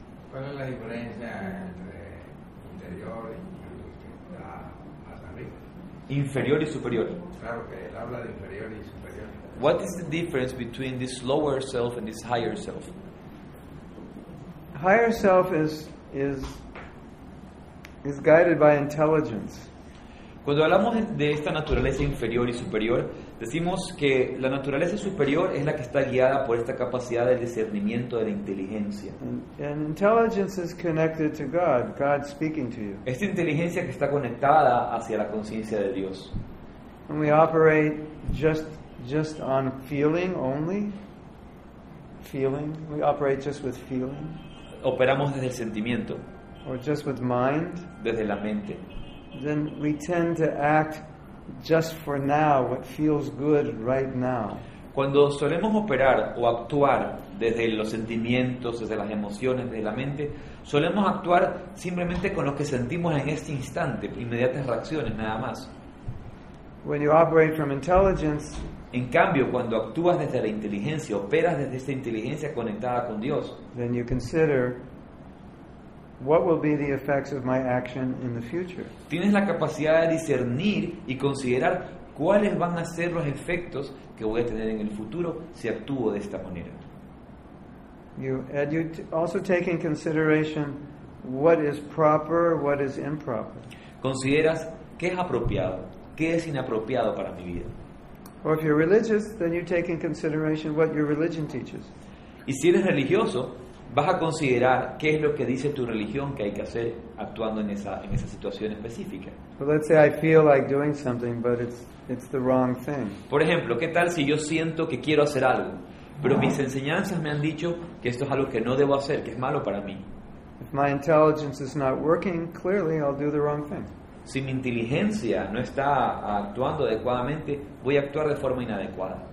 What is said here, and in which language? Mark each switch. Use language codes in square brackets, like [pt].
[es] ¿Cuál es la diferencia entre interior y superior? Inferior y superior. Claro que él habla de inferior y superior. [en] What is the difference between this lower self and this higher self? Higher self is guided by intelligence. [es] Cuando hablamos de esta naturaleza inferior y superior, decimos que la naturaleza superior es la que está guiada por esta capacidad de discernimiento de la inteligencia. [en] And intelligence is connected to God, God speaking to you. [es] Esta inteligencia que está conectada hacia la conciencia de Dios. [en] And we operate just on feeling only. Feeling. We operate just with feeling. [es] Operamos desde el sentimiento. [en] Or just with mind. [es] Desde la mente. [en] Then we tend to act just for now, what feels good right now. [es] Cuando solemos operar o actuar desde los sentimientos, desde las emociones, desde la mente, solemos actuar simplemente con lo que sentimos en este instante, inmediatas reacciones, nada más. [en] When you operate from intelligence, [es] en cambio, cuando actúas desde la inteligencia, operas desde esta inteligencia conectada con Dios, [en] then you consider what will be the effects of my action in the future. [es] Tienes la capacidad de discernir y considerar cuáles van a ser los efectos que voy a tener en el futuro si actúo de esta manera. [en] You also take in consideration what is proper, what is improper. [es] Consideras qué es apropiado, qué es inapropiado para mi vida. [en] Or if you're religious, then you take in consideration what your religion teaches. [es] Y si eres religioso, vas a considerar qué es lo que dice tu religión que hay que hacer actuando en esa situación específica. [en] Well, let's say I feel like doing something, but it's the wrong thing. [es] Por ejemplo, ¿qué tal si yo siento que quiero hacer algo, pero mis enseñanzas me han dicho que esto es algo que no debo hacer, que es malo para mí? [en] If my intelligence is not working, clearly I'll do the wrong thing. [es] Si mi inteligencia no está actuando adecuadamente, voy a actuar de forma inadecuada.